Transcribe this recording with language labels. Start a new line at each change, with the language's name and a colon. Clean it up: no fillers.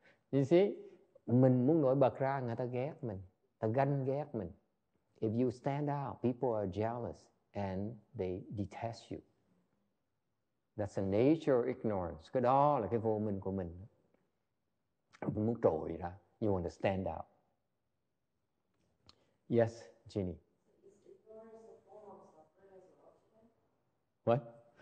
English: You see,
Vietnamese: mình muốn nổi bật ra, người ta ghét mình, ta ganh ghét mình.
English: If you stand out, people are jealous and they detest you. That's the nature of ignorance.
Vietnamese: Cái đó là cái vô minh của mình. Mình muốn trội ra.
English: You want to stand out. Yes, Ginny. What?